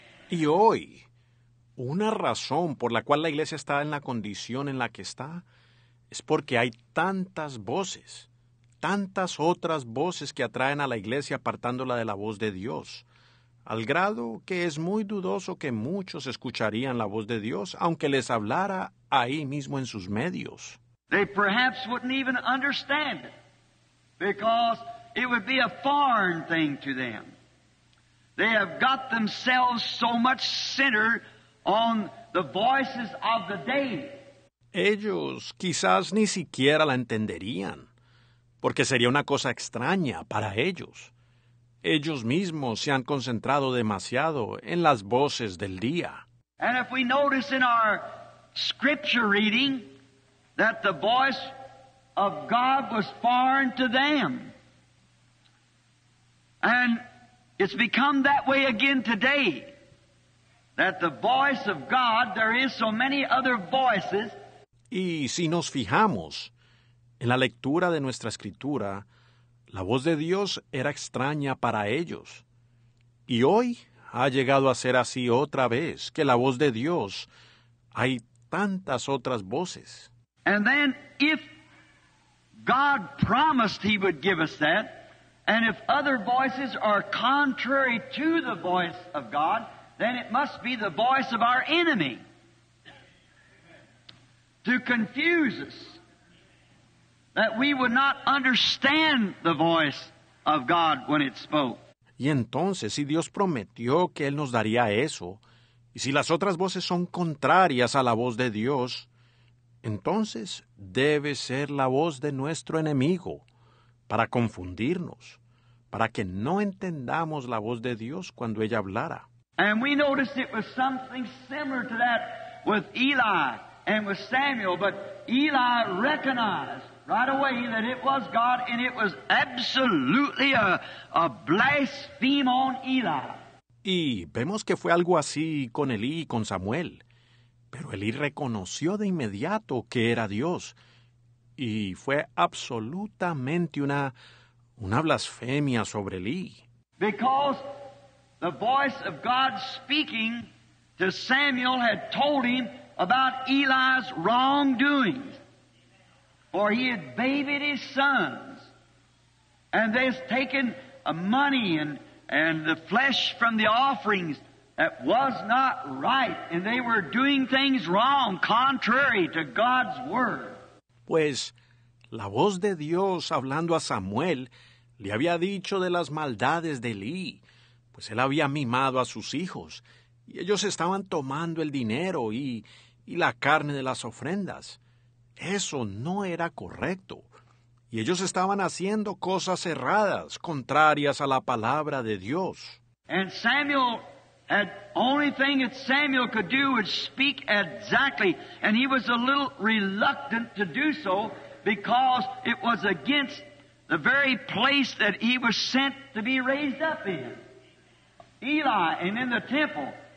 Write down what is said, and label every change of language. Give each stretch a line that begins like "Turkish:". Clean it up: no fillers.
Spanish: Y hoy, una razón por la cual la iglesia está en la condición en la que está es porque hay tantas voces, tantas otras voces que atraen a la iglesia apartándola de la voz de Dios, al grado que es muy dudoso que muchos escucharían la voz de Dios, aunque les hablara ahí mismo en sus medios.
English: They perhaps wouldn't even understand it, because it would be a foreign thing to them. They have got themselves so much centered on the voices of the day.
Spanish: Ellos quizás ni siquiera la entenderían. porque sería una cosa extraña para ellos. Ellos mismos se han concentrado demasiado en las voces del día.
English: And if we notice in our scripture reading that the voice of God was foreign to them. And it's become that way again today. That the voice of God, there is so many other voices.
Spanish: Y si nos fijamos en la lectura de nuestra escritura, la voz de Dios era extraña para ellos. Y hoy ha llegado a ser así otra vez, que la voz de Dios, hay tantas otras voces.
English: And then if God promised he would give us that, and if other voices are contrary to the voice of God, then it must be the voice of our enemy to confuse us, that we would not understand the voice of God when it spoke.
Spanish: Y entonces, si Dios prometió que Él nos daría eso, y si las otras voces son contrarias a la voz de Dios, entonces debe ser la voz de nuestro enemigo para confundirnos, para que no entendamos la voz de Dios cuando ella hablara.
English: And we noticed it was something similar to that with Eli and with Samuel, but Eli recognized right away that it was God, and it was absolutely a blaspheme on Eli.
Spanish: Y vemos que fue algo así con Elí y con Samuel, pero Elí reconoció de inmediato que era Dios, y fue absolutamente una blasfemia sobre Elí.
English: Because the voice of God speaking to Samuel had told him about Eli's wrongdoings. For he had babied his sons, and they had taken money and the flesh from the offerings that was not right, and they were doing things wrong, contrary to God's word.
Spanish: Pues, la voz de Dios hablando a Samuel le había dicho de las maldades de Elí, pues él había mimado a sus hijos, y ellos estaban tomando el dinero y la carne de las ofrendas. Eso no era correcto, y ellos estaban haciendo cosas erradas, contrarias a la palabra de Dios.
English: And Samuel, the only thing that Samuel could do was speak exactly, and he was a little reluctant to do so, because it was against the very place that he was sent to be raised up in, Eli, and in the temple.